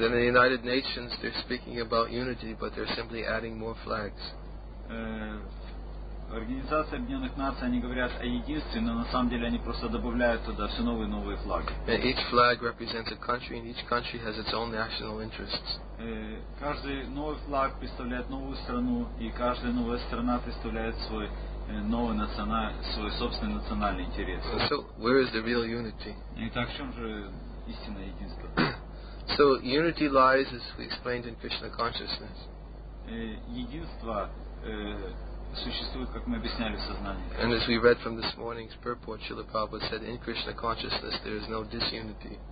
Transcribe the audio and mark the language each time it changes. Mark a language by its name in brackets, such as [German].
[English] Then the United Nations, they're speaking about unity, but they're simply adding more flags. [Russian] Организация Объединенных Наций, они говорят о единстве, но на самом деле они просто добавляют туда все новые и новые флаги. [English] And each flag represents a country, and each country has its own national interests. [Russian] Каждый новый флаг представляет новую страну, и каждая новая страна представляет свой новый национальный, свой собственный национальный интерес. [English] So where is the real unity? [Russian] Итак, в чем же истинное единство? [English] So unity lies, as we explained, in Krishna consciousness. [Russian] Единство существует, как мы объясняли в сознании. [English] And as we read from this morning's purport, Srila Prabhupada said, in Krishna consciousness there is no disunity.